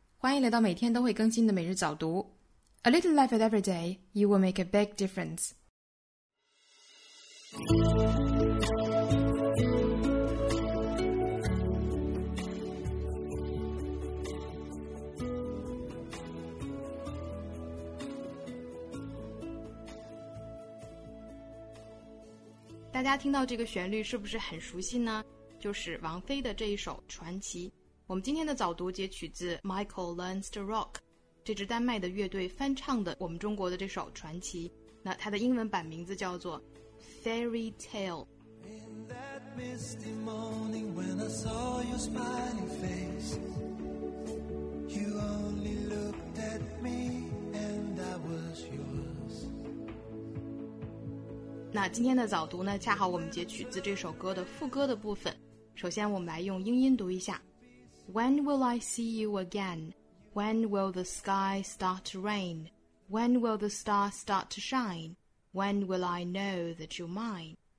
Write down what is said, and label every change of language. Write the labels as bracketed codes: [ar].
[zh] 欢迎来到每天都会更新的每日早读。 [en] A little effort every day, you will make a big difference. [zh] Mm-hmm. 大家听到这个旋律是不是很熟悉呢？就是王菲的这一首《传奇》。我们今天的早读截取自 Michael Learns to Rock 这支丹麦的乐队翻唱的我们中国的这首《传奇》，那它的英文版名字叫做 Fairy Tale。 [en] In that misty morning when I saw your smiling face, you only looked at me and I was yours。 [zh] 那今天的早读呢，恰好我们截取自这首歌的副歌的部分。首先我们来用英音读一下， [en] When will I see you again? When will the sky start to rain? When will the star start to shine? When will I know that you're mine?